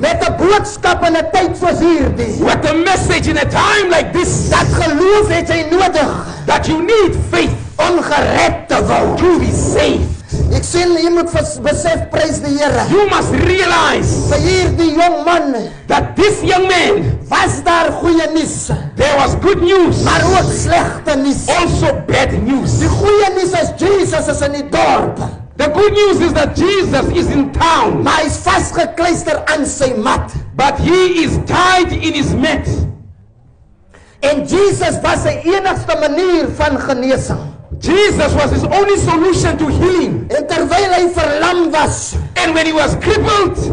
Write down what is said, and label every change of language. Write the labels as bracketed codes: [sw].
[af] Met 'n boodskap in 'n tyd soos hierdie. [en] With a message in a time like this. [af] Dat geloof het jy nodig. [en] That you need faith. [af] Om gered te word. [en] To be saved. [af] Ek sien jy moet besef, prys die Here. [en] You must realize. [af] Vir hierdie jong man. [en] That this young man. [af] Was daar goeie nuus. [en] There was good news. [af] Maar ook slegte nuus. [en] Also bad news. [af] Die goeie nuus is Jesus is in die dorp. [en] The good news is that Jesus is in town. [af] Maar hy is vasgekluister aan sy mat. [en] But he is tied in his mat. [af] En Jesus was sy enigste manier van genesing. [en] Jesus was his only solution to healing. [af] En terwyl hy verlam was. [en] And when he was crippled.